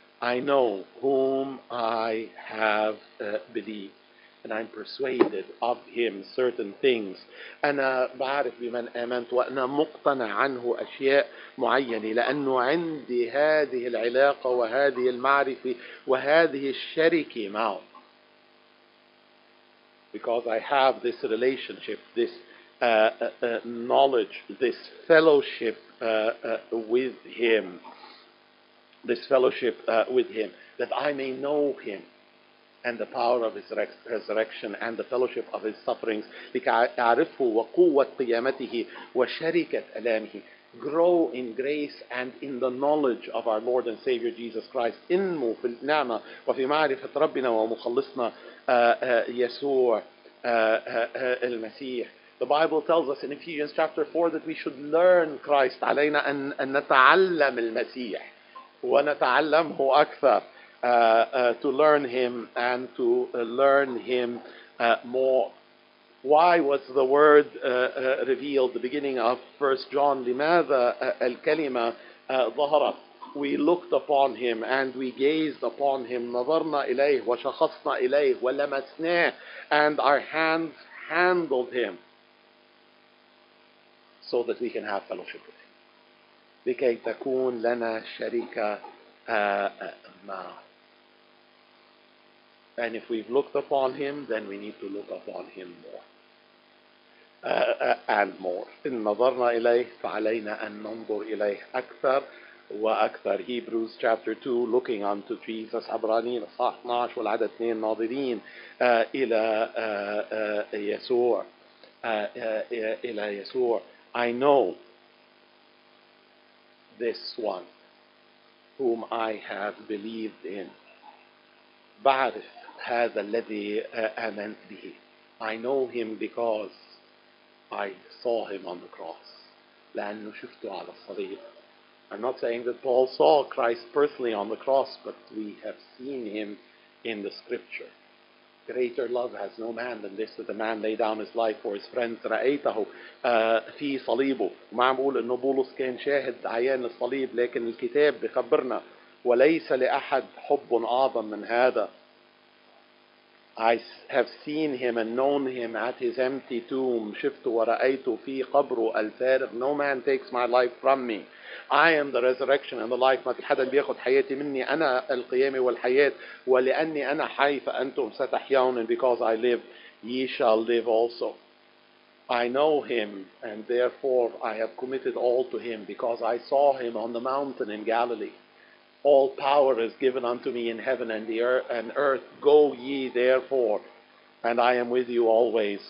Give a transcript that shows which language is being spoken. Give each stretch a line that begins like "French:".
English: I know whom I have believed, and I'm persuaded of him certain things.
Arabic: أنا بعرف بمن آمنت وأنا مقتنع عنه أشياء معينة لأنه عندي هذه العلاقة وهذه المعرفة وهذه الشركة معه.
English: Because I have this relationship, this knowledge, this fellowship with him. This fellowship with him, that I may know him and the power of his resurrection and the fellowship of his sufferings.
Arabic: لكأعرفه وقوة قيامته وشركة ألامه.
English: Grow in grace and in the knowledge of our Lord and Savior Jesus Christ.
Arabic: إنمو في النعمة وفي معرفة ربنا ومخلصنا يسوع المسيح.
English: The Bible tells us in Ephesians chapter 4 that we should learn Christ.
Arabic: علينا أن نتعلم المسيح. ونتعلمه أكثر
English: to learn him and to learn him more. Why was the word revealed the beginning of 1 John?
Arabic: لماذا الكلمة ظهرت?
English: We looked upon him and we gazed upon him.
Arabic: نظرنا إليه وشخصنا إليه ولمسناه
English: and our hands handled him so that we can have fellowship with him.
Arabic: لكي تكون لنا شركة معه.
English: And if we've looked upon him, then we need to look upon him more. And more.
Arabic: إن نظرنا إليه فعلينا أن ننظر إليه أكثر وأكثر.
English: Hebrews chapter 2, looking unto Jesus.
Arabic: عبرانيين إصحاح 12 والعدد 2 ناظرين إلى يسوع. إلى يسوع.
English: I know this one whom I have believed in.
Arabic: بعرف هذا الذي آمنت به.
English: I know him because I saw him on the cross.
Arabic: لأنه شفته على الصليب.
English: I'm not saying that Paul saw Christ personally on the cross, but we have seen him in the scripture. Greater love has no man than this, that a man lay down his life for his friends.
Arabic: رأيته في صليبه. ما عم بقول إنه بولس كان شاهد عيان الصليب, لكن الكتاب بخبرنا وليس لأحد حب أعظم من هذا.
English: I have seen him and known him at his empty tomb.
Arabic: شفت ورأيت في قبره الفارغ.
English: No man takes my life from me. I am the resurrection and the life.
Arabic: ما في حدا بياخد حياتي مني. أنا القيامة والحياة. ولأني أنا حي فأنتم ستحيون.
English: And because I live, ye shall live also. I know him and therefore I have committed all to him because I saw him on the mountain in Galilee. All power is given unto me in heaven and the earth. And earth. Go ye therefore, and I am with you always.